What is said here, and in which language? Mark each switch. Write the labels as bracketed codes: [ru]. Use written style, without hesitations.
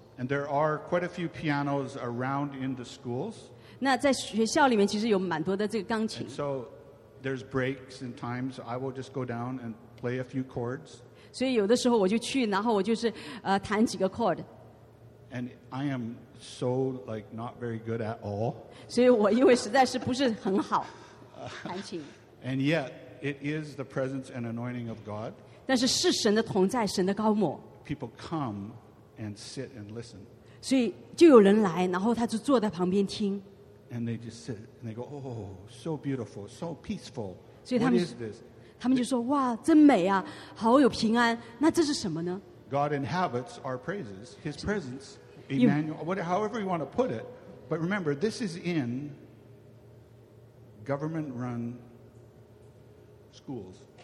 [en] And there are quite a few pianos around in the schools. [zh] 那在学校里面其实有蛮多的这个钢琴。 [en] And so there's breaks in times. So I will just go down and play a few chords. [zh] 所以有的时候我就去，然后我就是弹几个chord. [en] And I am so like not very good at all. [zh] 所以我因为实在是不是很好弹琴。 [en] And yet, it is the presence and anointing of God. [zh] 但是是神的同在，神的高抹。 [en] People come and sit and listen. [zh] 所以就有人来，然后他就坐在旁边听。 [en] And they just sit and they go, oh, so beautiful, so peaceful. [zh] 所以他们, [en] what is this? [zh] 他们就说，哇，真美啊，好有平安。那这是什么呢？ [en] God inhabits our praises, His presence, Emmanuel, however you want to put it. But remember, this is in government-run schools.